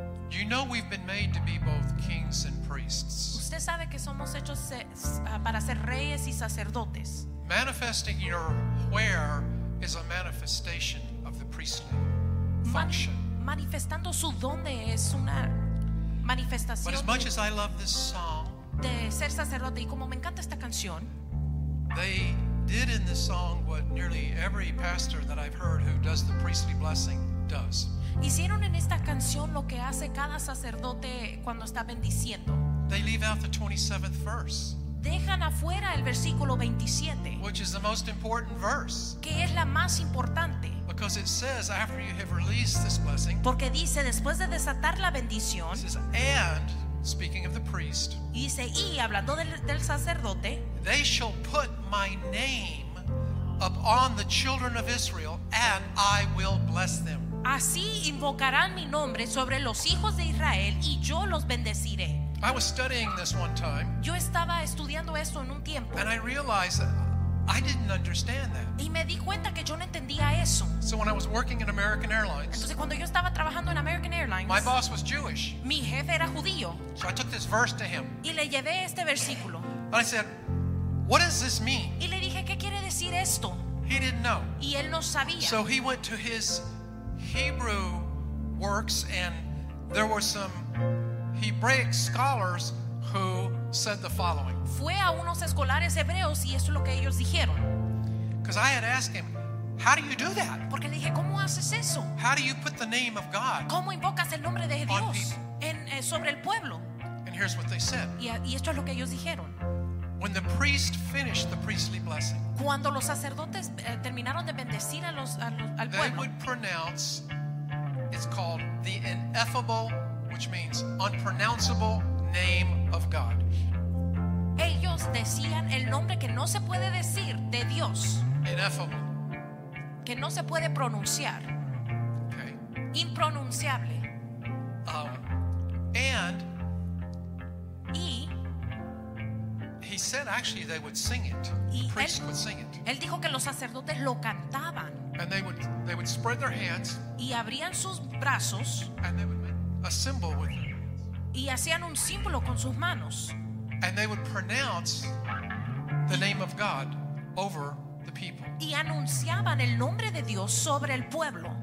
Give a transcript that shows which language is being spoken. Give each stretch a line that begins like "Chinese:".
English: You know we've been made to be both kings and priests.
Spanish: Usted sabe que somos hechos para ser reyes y sacerdotes.
English: Manifesting your where is a manifestation of the priestly function.
Spanish: Manifestando su dónde es una manifestación.
English: But as much as I love this song,
Spanish: de ser sacerdote y como me encanta esta canción,
English: they did in this song what nearly every pastor that I've heard who does the priestly blessing does.
Spanish: Hicieron en esta canción lo que hace cada sacerdote cuando está bendiciendo.
English: They leave out the 27th verse.
Spanish: Dejan afuera el versículo 27.
English: Which is the most important verse.
Spanish: Que es la más importante.
English: Because it says after you have released this blessing.
Spanish: Porque dice después de desatar la bendición.
English: It says, and speaking of the priest.
Spanish: Dice y hablando del sacerdote.
English: They shall put my name upon the children of Israel, and I will bless them.
Spanish: Así invocarán mi nombre sobre los hijos de Israel, y yo los bendeciré.
English: I was studying this one time.
Spanish: Yo estaba estudiando esto en un tiempo.
English: And I realized that I didn't understand that.
Spanish: Y me di cuenta que yo no entendía eso.
English: So when I was working in American Airlines,
Spanish: entonces cuando yo estaba trabajando en American Airlines,
English: my boss was Jewish.
Spanish: Mi jefe era judío.
English: So I took this verse to him.
Spanish: Y le llevé este versículo.
English: And I said, what does this mean?
Spanish: Y le dije, ¿qué quiere decir esto?
English: He didn't know.
Spanish: Y él no sabía.
English: So he went to his Hebrew works, and there were some Hebraic scholars who said the following.
Spanish: Fue a unos escolares hebreos y eso es lo que ellos dijeron.
English: Because I had asked him, how do you do that?
Spanish: Porque le dije, ¿cómo haces eso?
English: How do you put the name of God?
Spanish: ¿Cómo invocas el nombre de Dios en sobre el pueblo?
English: And here's what they said.
Spanish: Y esto es lo que ellos dijeron.
English: When the priest finished the priestly blessing,
Spanish: cuando los sacerdotes terminaron de bendecir a los, a los, al pueblo,
English: they would pronounce, it's called the ineffable, which means unpronounceable, name of God.
Spanish: Ellos decían el nombre que no se puede decir de Dios.
English: Ineffable.
Spanish: Que no se puede pronunciar.
English: Okay.
Spanish: Impronunciable.
English: And
Spanish: y,
English: he said actually they would sing it. The priest would sing it.
Spanish: Él dijo que los sacerdotes lo cantaban.
English: And they would spread their hands.
Spanish: Y abrían sus brazos.
English: And they would make a symbol with their hands.
Spanish: Y hacían un símbolo con sus manos.
English: And they would pronounce the name of God over the people.
Spanish: Y anunciaban el nombre de Dios sobre el pueblo.